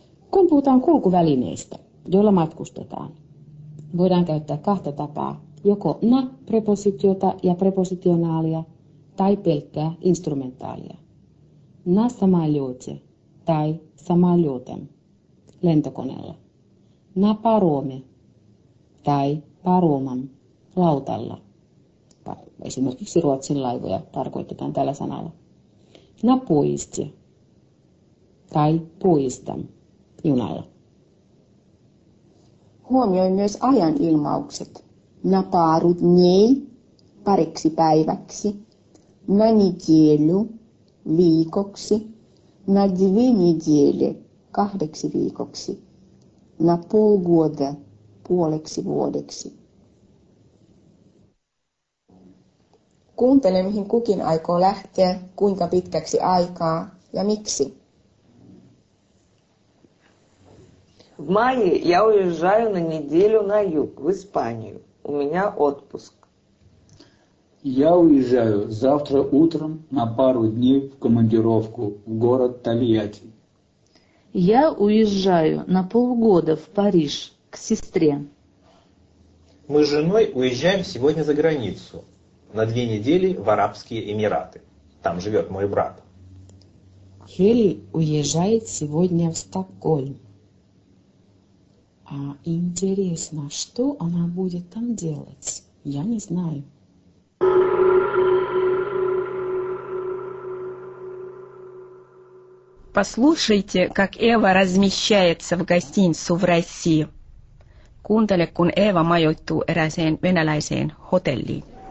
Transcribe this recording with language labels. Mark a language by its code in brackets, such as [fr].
[fi] Kun puhutaan kulkuvälineistä, joilla matkustetaan, voidaan käyttää kahta tapaa, joko na-prepositiota ja prepositionaalia tai pelkkää instrumentaalia. [ru] На самолете tai самолетом lentokoneella. На пароме tai паромом lautalla. [fi] Esimerkiksi Ruotsin laivoja tarkoitetaan tällä sanalla. [ru] На поезде tai поездом. [fi] Junalla. Huomioi myös ajan ilmaukset. [ru] На пару дней, [fi] pariksi päiväksi. [ru] На неделю, viikoksi. На две недели, [fi] kahdeksi viikoksi. [ru] На полгода, [fi] puoleksi vuodeksi. Kuuntele, mihin kukin aikoo lähteä, kuinka pitkäksi aikaa ja miksi. [ru] В мае я уезжаю на неделю на юг, в Испанию. У меня отпуск. Я уезжаю завтра утром на пару дней в командировку в город Тольятти. Я уезжаю на полгода в Париж к сестре. Мы с женой уезжаем сегодня за границу, на две недели в Арабские Эмираты. Там живет мой брат. Хели уезжает сегодня в Стокгольм. А интересно, что она будет там делать? Я не знаю. Послушайте, как Эва размещается в гостиницу в России. [fi] Kuuntele, kun Eva majoittuu erääseen venäläiseen hotelliin.